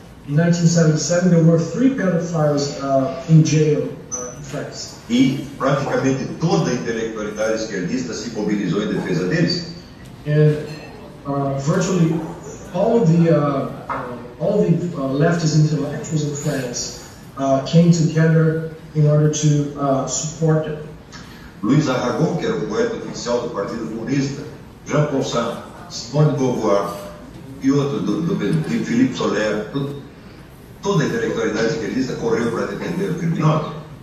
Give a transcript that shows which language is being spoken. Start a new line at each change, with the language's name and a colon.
English: In 1977, there were three pedophiles in jail, in France.
Portuguese: E praticamente toda a intelectualidade esquerdista se mobilizou em defesa deles.
English: And virtually all the leftist intellectuals in France came together in order to support them.
Portuguese: Luiz Aragon, que era o poeta oficial do Partido Comunista, Jean Poussin, Simone de Beauvoir e outros do mesmo tipo, Philippe Soler, toda a intelectualidade esquerdista correu para defender o criminoso.